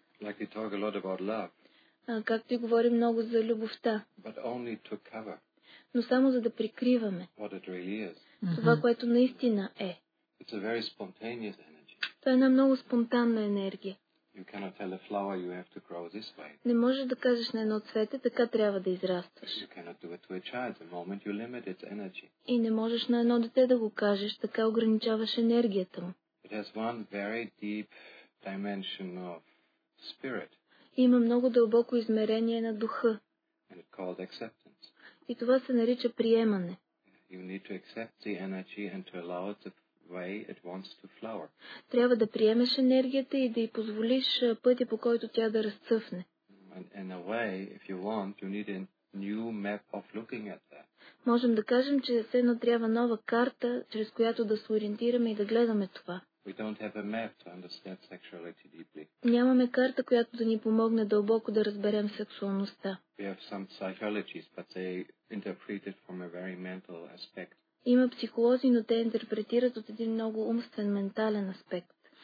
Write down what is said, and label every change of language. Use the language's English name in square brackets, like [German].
[English] Like we talk a lot about love. [Bulgarian] Както и говорим много за любовта. [English] But only to cover. [Bulgarian] Но само за да прикриваме [English] what it really is. [Bulgarian] Това, което наистина е. [English] It's a very spontaneous energy. [Bulgarian] Това е една много спонтанна енергия. [English] You cannot tell a flower you have to grow this way. [Bulgarian] Не можеш да кажеш на едно цвете, така трябва да израстваш. [English] You cannot do it to a child the moment you limit its energy. [Bulgarian] И не можеш на едно дете да го кажеш, така ограничаваш енергията му. [English] It has one very deep dimension of spirit. [Bulgarian] Има много дълбоко измерение на духа. [English] And it's called acceptance. [Bulgarian] И това се нарича приемане. [English] You need to accept the energy and to allow it to way it wants to flower. [Bulgarian] Трябва да приемеш енергията и да й позволиш пътя, по който тя да разцъфне. [English] In a way, if you want, you need a new map of looking at that. [Bulgarian] Можем да кажем, че сега трябва нова карта, чрез която да се ориентираме и да гледаме това. [English] We don't have a map to understand sexuality deeply. [Bulgarian] Нямаме карта, която да ни помогне дълбоко да разберем сексуалността. [English] We have some psychologists, but they interpret it from a very mental aspect. [Bulgarian] Има психолози, но те интерпретират от един много умствен, ментален аспект.